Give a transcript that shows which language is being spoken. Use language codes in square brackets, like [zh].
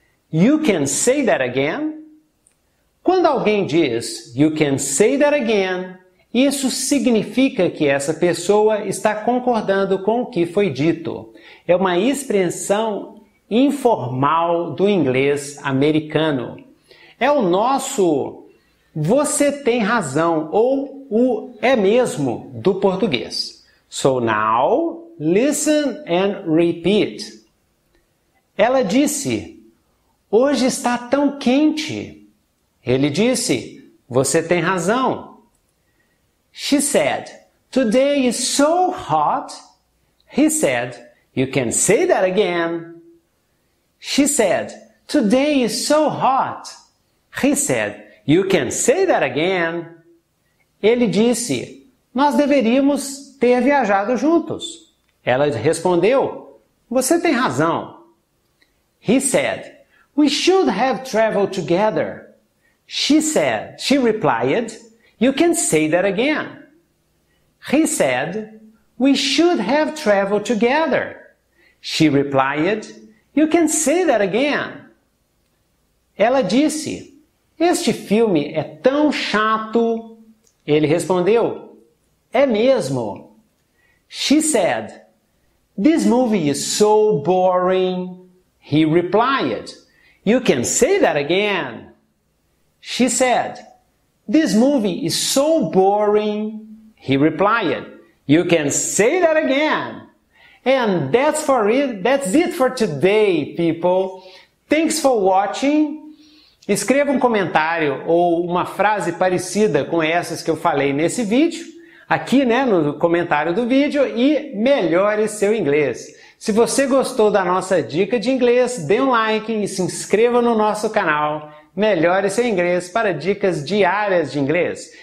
[en] You can say that again? [pt] Quando alguém diz "You can say that again", isso significa que essa pessoa está concordando com o que foi dito. É uma expressão informal do inglês americano. É o nosso "você tem razão" ou o "é mesmo" do português. [en] So now, listen and repeat. [pt] Ela disse: "Hoje está tão quente." Ele disse: "Você tem razão." [en] She said: "Today is so hot." He said: "You can say that again." She said: "Today is so hot." He said: "You can say that again." [pt] Ele disse: "Nós deveríamos ter viajado juntos." Ela respondeu: "Você tem razão." [en] He said: "We should have traveled together." She replied, "You can say that again." He said, "We should have traveled together." She replied, "You can say that again." [pt] Ela disse: "Este filme é tão chato." Ele respondeu: "É mesmo." [en] She said, "This movie is so boring." He replied, "You can say that again." She said, "This movie is so boring." He replied, "You can say that again." And that's it for today, people. Thanks for watching. [pt] Escreva um comentário ou uma frase parecida com essas que eu falei nesse vídeo, aqui, né, no comentário do vídeo, e melhore seu inglês. Se você gostou da nossa dica de inglês, dê um like e se inscreva no nosso canal Melhore Seu Inglês para dicas diárias de inglês.